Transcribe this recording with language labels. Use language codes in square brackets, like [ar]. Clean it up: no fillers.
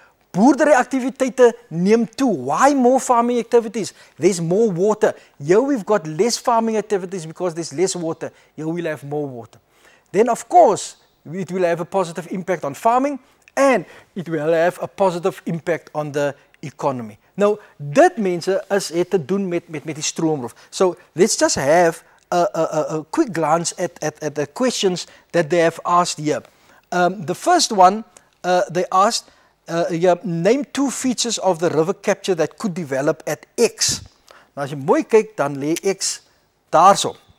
[af] Boerdery aktiwiteite neem toe. [en] Why more farming activities? There's more water. Here we've got less farming activities because there's less water. Here we'll have more water. Then of course, it will have a positive impact on farming and it will have a positive impact on the economy. [af] Nou, dit mense is het te doen met die stroomrof. [en] So, let's just have a quick glance at the questions that they have asked here. The first one, they asked, name two features of the river capture that could develop at X. [af] Nou, as jy mooi kyk, dan lê X daarso.